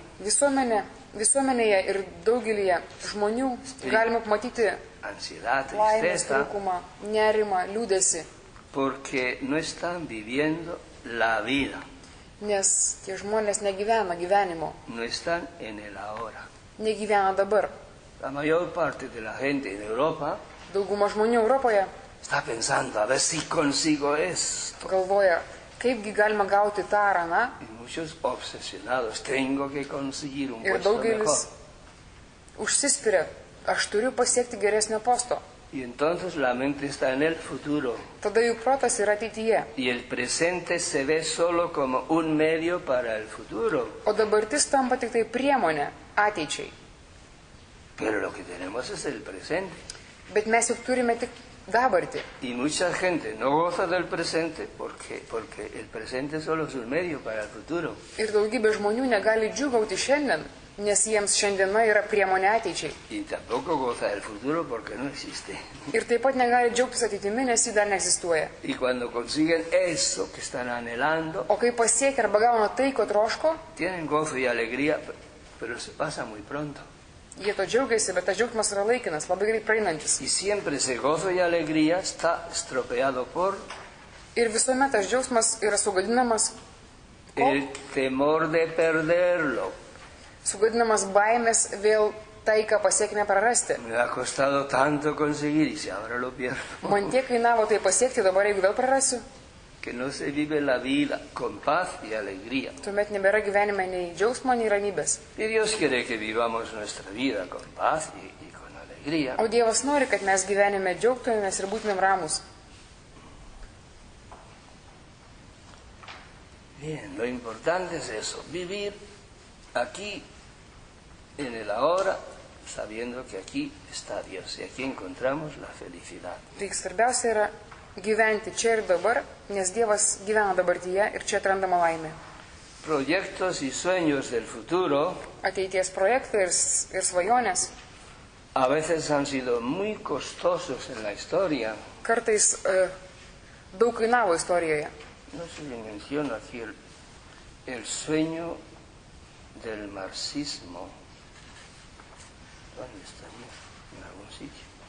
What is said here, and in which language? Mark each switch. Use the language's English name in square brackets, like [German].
[Lithuanian] Visuomenėje ir daugelyje žmonių galima pamatyti [Spanish] ansiedad, tristeza, [Lithuanian] trūkumą, nerimą, liūdesi. [Spanish] Porque no están viviendo la vida. [Lithuanian] Nes tie žmonės negyvena gyvenimo. [Spanish] No están en el ahora. [Lithuanian] Negyvena dabar. [Spanish] La mayor parte de la gente en Europa. [Lithuanian] Dauguma žmonių Europoje. [Spanish] Está pensando, a ver si consigo esto. [Lithuanian] Galvoja, kaipgi galima gauti tą ar aną. [Spanish] Y muchos obsesionados, tengo que conseguir un puesto mejor. [Lithuanian] Ir daugelis užsispiria, aš turiu pasiekti geresnio posto. [Spanish] Y entonces la mente está en el futuro. [Lithuanian] Tada jų protas yra ateityje. [Spanish] Y el presente se ve solo como un medio para el futuro. [Lithuanian] O dabartis tampa tik tai priemonė ateičiai. [Spanish] Pero lo que tenemos es el presente. [Lithuanian] Bet mes jau turime tik dabartį. [Spanish] Y mucha gente no goza del presente porque el presente solo es un medio para el futuro. [Lithuanian] Ir daugybė žmonių negali džiugauti šiandien, nes jiems šiandiena yra priemonė ateičiai. [Spanish] Y tampoco goza del futuro porque no existe. [Lithuanian] Ir taip pat negali džiaugtis ateitimi, nes ji dar neegzistuoja. [Spanish] Y cuando consiguen eso que están anhelando, [Lithuanian] o kai pasiekia arba gauna tai, ko troško, [Spanish] tienen gozo y alegría, pero se pasa muy pronto. [Lithuanian] Jie to džiaugiasi, bet tas džiaugsmas yra laikinas, labai greit praeinantis. [Spanish] Y siempre ese gozo y alegría está estropeado por [Lithuanian] ir visuomet tas džiaugsmas yra sugadinamas [Spanish] el temor de perderlo. [Lithuanian] Sugadinamas baimės vėl tai, ką pasiekime prarasti. [Spanish] Me ha costado tanto conseguir y si ahora lo pierdo. [Lithuanian] Man tiek kainavo tai pasiekti, dabar jeigu vėl prarasiu. [Spanish] Que no se vive la vida con paz y alegría. [Lithuanian] Tuomet nebėra gyvenime nei džiaugsmo, nei ramybės. [Spanish] Ir Dios quiere que vivamos nuestra vida con paz y con alegría. [Lithuanian] O Dievas nori, kad mes gyvenime džiaugtumėmės ir būtumėm ramus. [Spanish] Bien, lo importante es eso, vivir aquí en el ahora, sabiendo que aquí está Dios y aquí encontramos la felicidad. [Lithuanian] Tai svarbiausia yra gyventi čia ir dabar, nes Dievas gyvena dabartyje ir čia atrandama laimė. [Spanish] Proyectos y sueños del futuro. [Lithuanian] Ateities projektai ir svajonės. [Spanish] A veces han sido muy costosos en la historia. [Lithuanian] Kartais daug kainavo istorijoje. [Spanish] No se menciona aquí el sueño del marxismo. ¿Dónde estaría? En algún sitio.